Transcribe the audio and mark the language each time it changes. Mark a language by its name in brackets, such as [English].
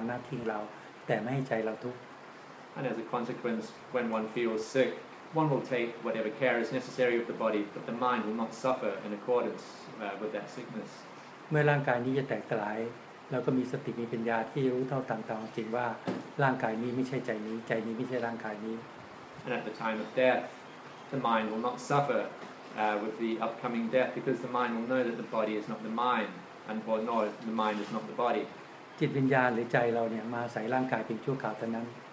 [English] And as a consequence, when one feels sick, one will take whatever care is necessary of the body, but the mind will not suffer in accordance with that sickness. When the body is going to break, [Thai] เราก็มีสติมีปัญญาที่รู้เท่าต่างๆจริงว่าร่างกายนี้ไม่ใช่ใจนี้ใจนี้ไม่ใช่ร่างกายนี้ [English] And at the time of death the mind will not suffer with the upcoming death because the mind will know that the body is not the mind and for know the mind is not the body [Thai] จิตวิญญาณหรือใจเราเนี่ยมาใส่ร่างกายเพียงชั่วคราวเท่านั้น